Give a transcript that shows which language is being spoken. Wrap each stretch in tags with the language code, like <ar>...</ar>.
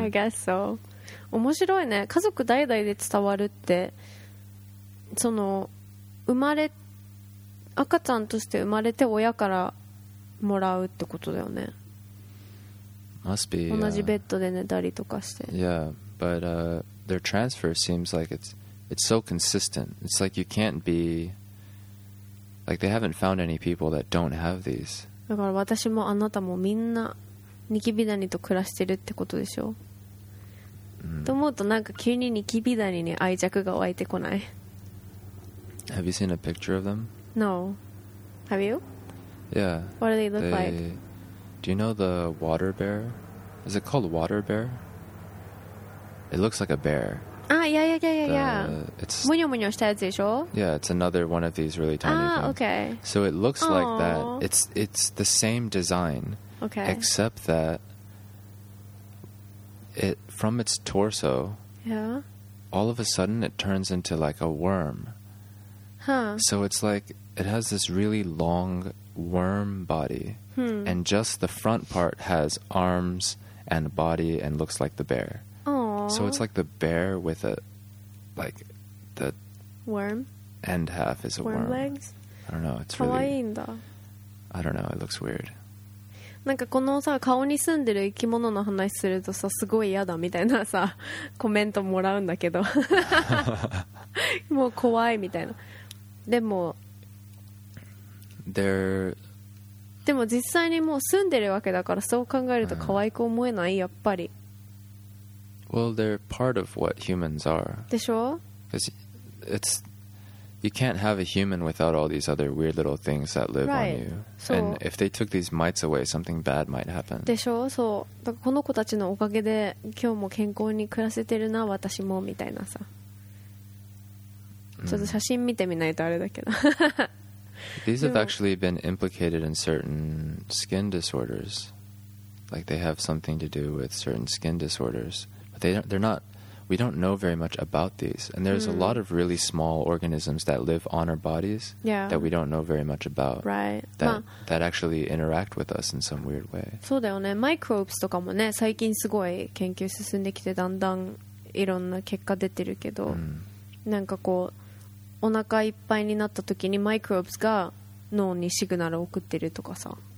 <en>I guess so.</en> <ja>面白いね。家族代々で伝わるって、その生まれ、赤ちゃんとして生まれて親からもらうってことだよね。</ja> <en>Must be,</en> <ja>同じベッドで寝たりとかして。</ja> <en>Yeah, but their transfer seems like it's so consistent. It's like you can't be like they haven't found any people that don't have these.</en> <ja>だから私もあなたもみんなニキビダニと暮らしてるってことでしょ。と思うとなんか急にニキビダニに愛着が湧いてこない。</ja> <en>Have you seen a picture of them? No. Have you? Yeah. What do they look like? Do you know the water bear? Is it called water bear? It looks like a bear. Ah, yeah, yeah, yeah, yeah, yeah. It's...</en> <ja>もにょもにょしたやつでしょ?</ja> <en>Yeah, it's another one of these really tiny things. Ah, okay. So it looks like that. It's the same design. Okay. Except that it, from its torso, yeah. all of a sudden it turns into like a worm. Huh. So it's like, it has this really long worm body. And just the front part has arms and body and looks like the bear. Aww. So it's like the bear with a, like, the worm end half is a worm. Worm legs? I don't know. It's really.</en> <ja>かわいいんだ。</ja> <en>I don't know. It looks weird.</en> <ja>なんかこのさ、顔に住んでる生き物の話するとさ、すごい嫌だみたいなさ、コメントもらうんだけど。もう怖いみたいな。でも。</ja> <en>They're.</en> <ja>でも実際にもう住んでるわけだから、そう考えると可愛く思えない、やっぱり。</ja> <en>Well, they're part of what humans are.</en> <ja>でしょ?</ja> <en>Because it's, you can't have a human without all these other weird little things that live right. on you.</en> <ja>そう。</ja> <en>And if they took these mites away, something bad might happen.</en> <ja>でしょ?そう。だからこの子たちのおかげで今日も健康に暮らせてるな、私もみたいなさ。ちょっと写真見てみないとあれだけど。</ja> <en>These have actually been implicated in certain skin disorders. Like they have something to do with certain skin disorders. But they don't, they're not, we don't know very much about these. And there's a lot of really small organisms that live on our bodies that we don't know very much about. Right. That, that actually interact with us in some weird way.</en> <ja>そうだよね。マイクロープスとかもね、最近すごい研究進んできて、だんだんいろんな結果出てるけど、なんかこう、お腹いっぱいになった時にマイクロープスが脳にシグナルを送ってるとかさ。</ja>